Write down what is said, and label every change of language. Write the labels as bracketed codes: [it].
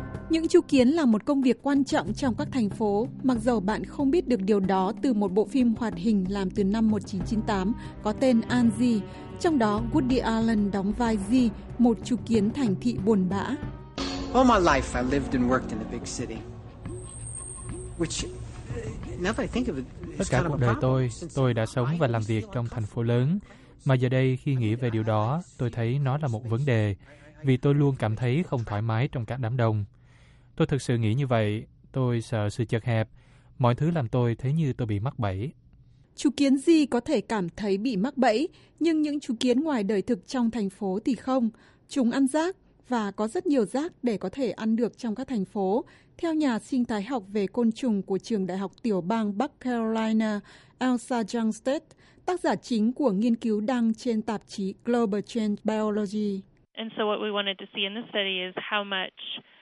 [vi] Những chú kiến là một công việc quan trọng trong các thành phố, mặc dù bạn không biết được điều đó từ một bộ phim hoạt hình làm từ năm 1998 có tên Angie, trong đó Woody Allen đóng vai Angie, một chú kiến thành thị buồn bã. [en] All my life I lived and worked in a big city, which now that I think of it, [vi] tất cả cuộc đời tôi đã sống và làm việc trong thành phố lớn, mà giờ đây khi nghĩ về điều đó, tôi thấy nó là một vấn đề, vì tôi luôn cảm thấy không thoải mái trong các đám đông. Tôi thực sự nghĩ như vậy. Tôi sợ sự chật hẹp. Mọi thứ làm tôi thấy như tôi bị mắc bẫy. Chú kiến gì có thể cảm thấy bị mắc bẫy, nhưng những chú kiến ngoài đời thực trong thành phố thì không. Chúng ăn rác và có rất nhiều rác để có thể ăn được trong các thành phố. Theo nhà sinh thái học về côn trùng của Trường Đại học Tiểu bang Bắc Carolina, Elsa Jungstedt, tác giả chính của nghiên cứu đăng trên tạp chí Global Change Biology. [en] And so what we wanted to see in this study is how much